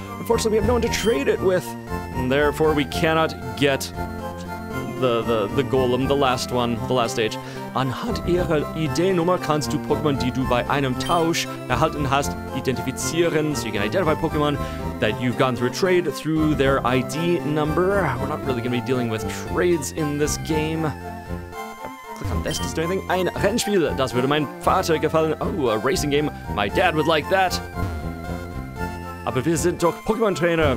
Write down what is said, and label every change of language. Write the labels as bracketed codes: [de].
[en] Unfortunately, we have no one to trade it with. And therefore, we cannot get the Golem, the last one, the last stage. [de] Anhand ihrer ID-Nummer kannst du Pokémon, die du bei einem Tausch erhalten hast, identifizieren. [en] So you can identify Pokémon that you've gone through a trade through their ID number. We're not really going to be dealing with trades in this game. Click on this, does it do anything? [de] Ein Rennspiel, das würde mein Vater gefallen. [en] Oh, a racing game. My dad would like that. [de] Aber wir sind doch Pokémon-Trainer.